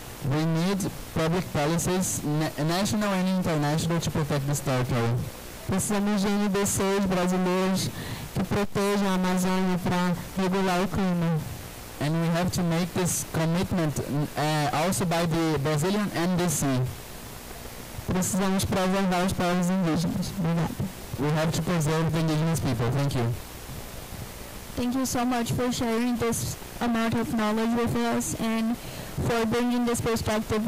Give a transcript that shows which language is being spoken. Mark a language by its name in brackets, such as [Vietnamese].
[English] We need public policies, national and international, to protect this territory. [Portuguese] Precisamos de NDCs brasileiros que protejam a Amazônia para regular o clima. [English] And we have to make this commitment also by the Brazilian NDC. [Portuguese] Precisamos preservar os povos indígenas. Obrigada. [English] We have to preserve the indigenous people. Thank you. Thank you so much for sharing this amount of knowledge with us and for bringing this perspective.